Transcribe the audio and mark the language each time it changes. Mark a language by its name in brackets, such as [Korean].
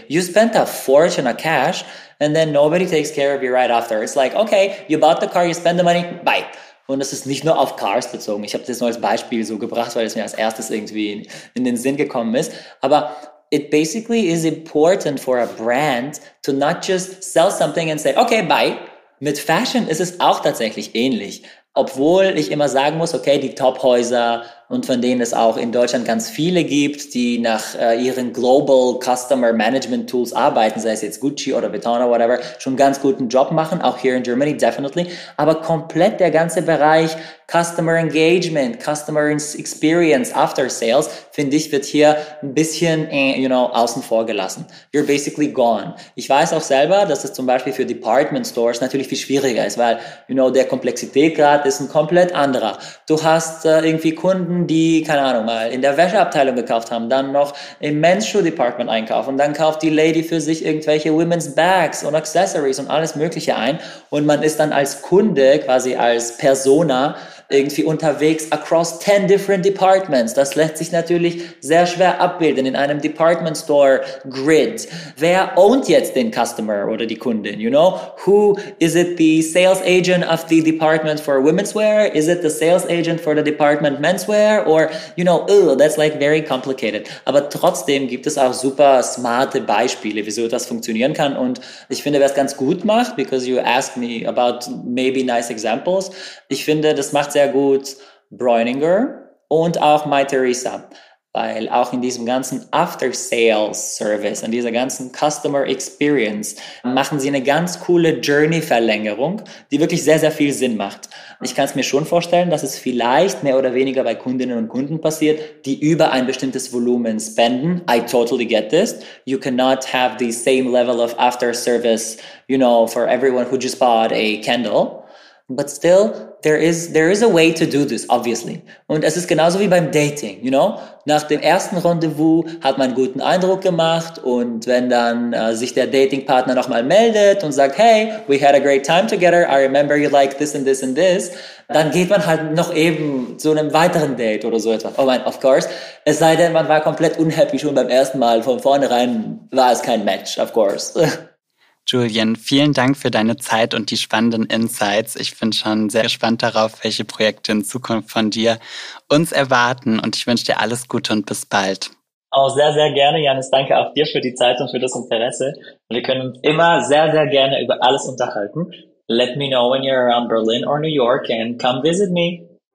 [English] You spent a fortune of cash, and then nobody takes care of you right after. It's like, okay, you bought the car, you spend the money, bye. [German] Und das ist nicht nur auf Cars bezogen. Ich habe das nur als Beispiel so gebracht, weil es mir als erstes irgendwie in den Sinn gekommen ist. [English] Aber it basically is important for a brand to not just sell something and say, okay, bye. [German] Mit Fashion ist es auch tatsächlich ähnlich. Obwohl ich immer sagen muss, okay, die Tophäuser und von denen es auch in Deutschland ganz viele gibt, die nach ihren Global Customer Management Tools arbeiten, sei es jetzt Gucci oder Vuitton oder whatever, schon ganz guten Job machen, auch hier in Germany, definitely. Aber komplett der ganze Bereich Customer Engagement, Customer Experience, After Sales, finde ich, wird hier ein bisschen, [English] you know, [German] außen vor gelassen. [English] You're basically gone. [German] Ich weiß auch selber, dass es zum Beispiel für Department Stores natürlich viel schwieriger ist, weil, [English] you know, [German] der Komplexitätsgrad ist ein komplett anderer. Du hast irgendwie Kunden, die, keine Ahnung, mal in der Wäscheabteilung gekauft haben, dann noch im Men's Shoe Department einkaufen, dann kauft die Lady für sich irgendwelche Women's Bags und Accessories und alles Mögliche ein und man ist dann als Kunde, quasi als Persona irgendwie unterwegs [English] across 10 different departments. [German] Das lässt sich natürlich sehr schwer abbilden in einem Department Store Grid. Wer ownt jetzt den Customer oder die Kundin? [English] You know, who is it, the sales agent of the department for women's wear? Is it the sales agent for the department men's wear? Or, you know, that's like very complicated. [German] Aber trotzdem gibt es auch super smarte Beispiele, wieso das funktionieren kann. Und ich finde, wer es ganz gut macht, [English] because you asked me about maybe nice examples, [German] ich finde, das macht sehr gut Breuninger und auch Mytheresa, weil auch in diesem ganzen After-Sales-Service, in dieser ganzen Customer-Experience, machen sie eine ganz coole Journey-Verlängerung, die wirklich sehr, sehr viel Sinn macht. Ich kann es mir schon vorstellen, dass es vielleicht mehr oder weniger bei Kundinnen und Kunden passiert, die über ein bestimmtes Volumen spenden. [English] I totally get this. You cannot have the same level of After-Service, you know, for everyone who just bought a candle. But still, there is a way to do this, obviously. [German] Und es ist genauso wie beim Dating, [English] you know? [German] Nach dem ersten Rendezvous hat man einen guten Eindruck gemacht und wenn dann sich der Datingpartner nochmal meldet und sagt, [English] hey, we had a great time together, I remember you like this and this [German] and this, dann geht man halt noch eben zu einem weiteren Date oder so etwas. [English] Oh man, of course. [German] Es sei denn, man war komplett unhappy schon beim ersten Mal. Von vornherein war es kein Match, [English] of course. [German] Julien, vielen Dank für deine Zeit und die spannenden Insights. Ich bin schon sehr gespannt darauf, welche Projekte in Zukunft von dir uns erwarten. Und ich wünsche dir alles Gute und bis bald. Auch sehr, sehr gerne, Janis. Danke auch dir für die Zeit und für das Interesse. Wir können uns immer sehr, sehr gerne über alles unterhalten. [English] Let me know when you're around Berlin or New York and come visit me.